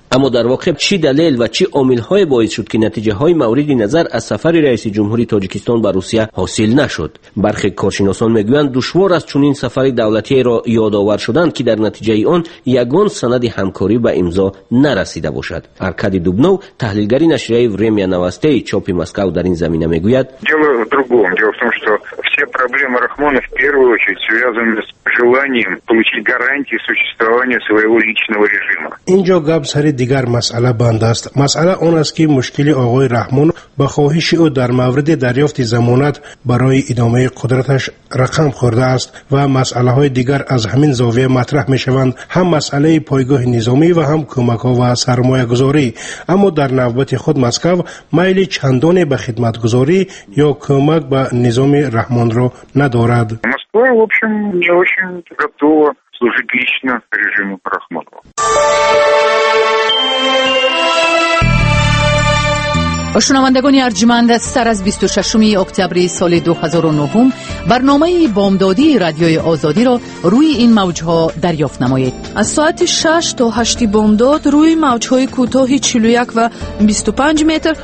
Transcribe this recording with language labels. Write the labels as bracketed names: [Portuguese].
[Persian] اما در واقع چی دلیل و چی عامل های باعث شد که نتیجه های مورد نظر از سفر رئیس جمهوری تاجیکستان به روسیه حاصل نشد؟ برخی کارشناسان میگویند دشوار است چون این سفر دولتی را یادآور شدند که در نتیجه آن یگان سند همکاری و امضا نرسیده باشد. آرکادی دوبنوف تحلیلگر نشریه ورمیا نوسته چاپ مسکو در این زمینه میگوید [Russian] все проблемы Рахмона в первую очередь связаны с желанием получить гарантии существования своего личного режима. [Tajik] Инжо габсари дигар масала бандаст. Масала он аст ки мушкили агои Рахмон ба хоҳиши ӯ дар мавриди дарёфти замонат барои идомаи қудраташ рақам хӯрдааст ва масъалаҳои дигар аз ҳамин зовия матраҳ мешаванд, ҳам масъалаи пойгоҳи низомӣ ва ҳам кӯмакҳо ва сармоягузорӣ. аммо дар навбати худ Москва майли чандоне ба хидматгузорӣ ё кӯмак ба низоми Рахмонро надорад. [Russian] Москва, в общем, не очень готова служить лично режиму Рахмонова. [Persian] شنوندگان ارجمند، سر از 26 اکتبر سال 2009 برنامه بامدادی رادیوی آزادی را روی این موجها دریافت نمایید. از ساعت 6 تا 8 بامداد روی موجهای کوتاه 41 و 25 متر